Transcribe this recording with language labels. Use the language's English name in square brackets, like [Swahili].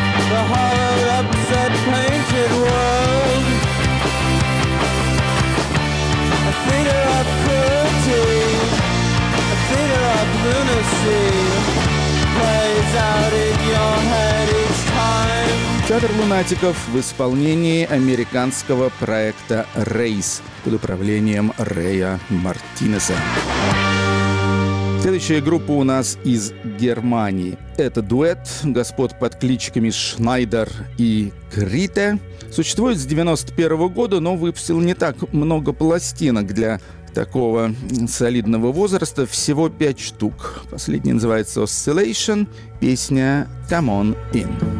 [English] The hollowed, upset, painted world. A theater of cruelty, a theater of lunacy plays out in your head each time. [Russian] Театр лунатиков в исполнении американского проекта «Рейс» под управлением Рэя Мартинеса. Следующая группа у нас из Германии. Это дуэт господ под кличками Шнайдер и Крите. Существует с 91 года, но выпустил не так много пластинок для такого солидного возраста. Всего 5 штук. Последний называется «Oscillation», песня «Come on in».